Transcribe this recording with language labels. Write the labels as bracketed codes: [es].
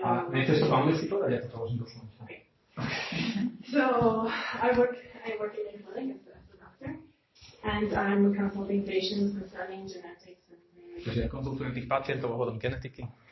[sk] A nechceš to v ambulancii povedať? Ja to môžem doslovať. [en] Okay. So, I work in the clinic as a doctor, and I'm consulting patients concerning genetics and... [sk] Takže ja konzultujem tých pacientov ohľadom genetiky.